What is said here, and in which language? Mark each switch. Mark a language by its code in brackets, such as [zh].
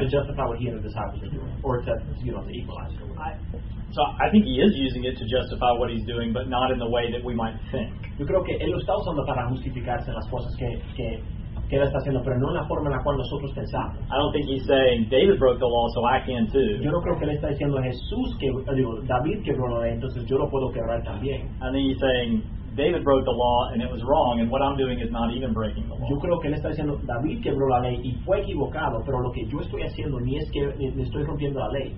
[en] To justify what he and the disciples are doing. Or to equalize it. So I think he is using it to justify what he's doing, but not in the way that we might think. [es] Yo creo que él lo está usando para justificarse en las cosas que él está haciendo, pero no en la forma en la cual nosotros pensamos. [en] I don't think he's saying David broke the law, so I can too. [es] Yo no creo que él está diciendo Jesús que David quebró la ley, entonces yo lo puedo quebrar también. [en] I think he's saying David broke the law and it was wrong, and what I'm doing is not even breaking the law. [es] Yo creo que él está diciendo David quebró la ley y fue equivocado, pero lo que yo estoy haciendo ni es que me estoy rompiendo la ley.